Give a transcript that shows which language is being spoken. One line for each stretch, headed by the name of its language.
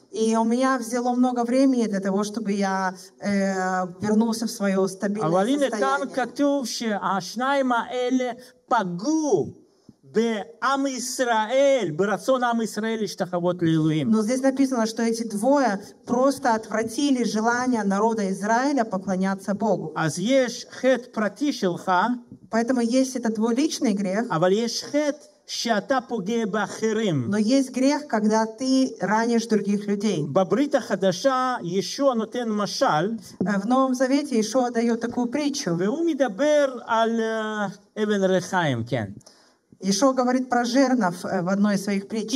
Russian: И у меня взяло много времени для того, чтобы я вернулся в свое стабильное состояние.
Hebrew: אבל הנה כאן כתוב שהשניים האלה פגעו בעם ישראל, ברצון עם ישראל להשתחוות לאלוהים.
Russian: Но здесь написано, что эти двое просто отвратили желание народа Израиля поклоняться Богу.
Hebrew: אז יש חטא פרטי שלך.
Russian: Поэтому есть этот твой личный грех.
Hebrew: אבל יש חטא שאתה פוגע באחרים.
Russian: Но есть грех, когда ты ранишь других людей.
Hebrew: בברית החדשה ישוע נותן משל.
Russian: В Новом Завете Иешуа дает такую притчу.
Hebrew: והוא מדבר על אבן רחיים, כן.
Russian: Ишо говорит про жернов в одной из своих